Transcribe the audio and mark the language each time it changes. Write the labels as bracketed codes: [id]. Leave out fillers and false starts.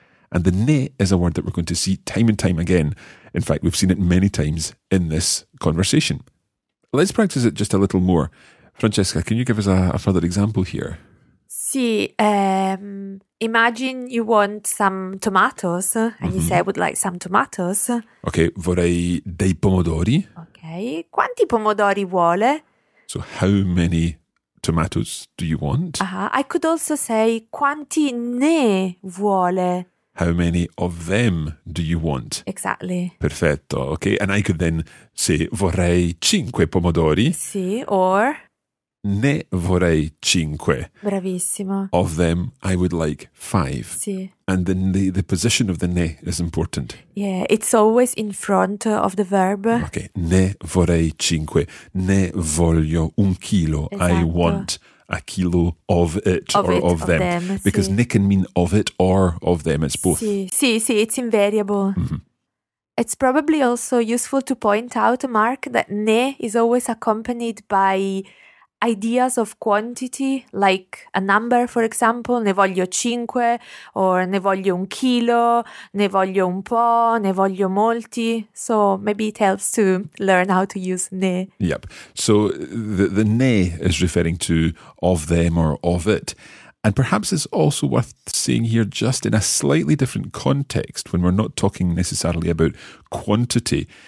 [en] And the ne is a word that we're going to see time and time again. In fact, we've seen it many times in this conversation. Let's practice it just a little more Francesca, can you give us a further example here? Sì, imagine you want some tomatoes and you say I would like some tomatoes. [it] Ok, vorrei dei pomodori. Ok, quanti pomodori vuole? [en] So how many tomatoes do you want? I could also say [it] quanti ne vuole. [en] How many of them do you want? Exactly. Perfetto, ok. And I could then say [it] vorrei cinque pomodori. Sì, or... Ne vorrei cinque. Bravissimo. [en] Of them, I would like five. [it] Sì. [en] And then the position of the ne is important. Yeah, it's always in front of the verb. [it] Ok, ne vorrei cinque. Ne voglio un chilo. Esatto. [en] I want a kilo of it of or it, of them. Them because [it] sì. [en] Ne can mean of it or of them. It's both. Sì, sì, sì, it's invariable. Mm-hmm. It's probably also useful to point out, Mark, that ne is always accompanied by... ideas of quantity, like a number, for example, [it] ne voglio cinque, [en] or [it] ne voglio un chilo, ne voglio un po', ne voglio molti. [en] So maybe it helps to learn how to use ne. Yep. So the ne is referring to of them or of it. And perhaps it's also worth seeing here just in a slightly different context when we're not talking necessarily about quantity.